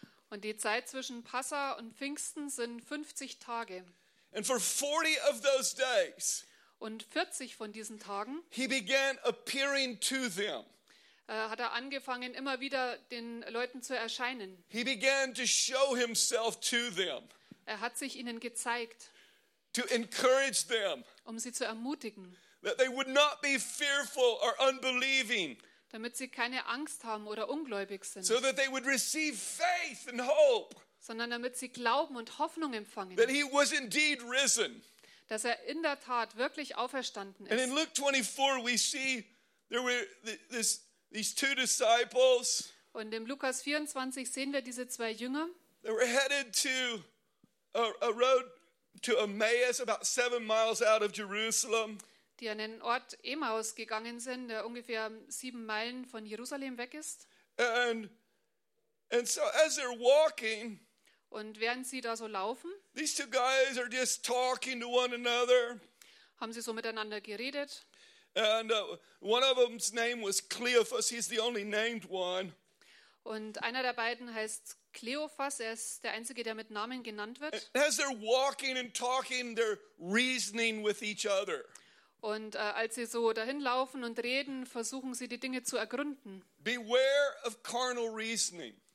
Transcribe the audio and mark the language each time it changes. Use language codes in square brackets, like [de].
[de] Und die Zeit zwischen Passa und Pfingsten sind 50 Tage. [en] And for 40 of those days, [de] und 40 von diesen Tagen, [en] he began appearing to them. [de] Hat er angefangen, immer wieder den Leuten zu erscheinen. [en] He began to show himself to them. [de] Er hat sich ihnen gezeigt, [en] to encourage them, [de] um sie zu ermutigen, [en] that they would not be fearful or unbelieving, [de] damit sie keine Angst haben oder ungläubig sind, [en] so that they would receive faith and hope, [de] sondern damit sie Glauben und Hoffnung empfangen, [en] that he was indeed risen, [de] dass er in der Tat wirklich auferstanden ist. [en] And in Luke 24 we see there were these two disciples, [de] und im Lukas 24 sehen wir diese zwei Jünger, [en] they were headed to a road to Emmaus, about 7 miles out of Jerusalem, [de] die an den Ort Emmaus gegangen sind, der ungefähr 7 Meilen von Jerusalem weg ist. [en] And so as they're walking, [de] und während sie da so laufen, [en] these two guys are just talking to one another, [de] haben sie so miteinander geredet. [en] And one of them's name was Cleophas, he's the only named one. [de] Und einer der beiden heißt Kleophas, er ist der einzige, der mit Namen genannt wird. [en] And as they're walking and talking, they're reasoning with each other. [de] Und als sie so dahin laufen und reden, versuchen sie die Dinge zu ergründen. [en] Beware of carnal reasoning.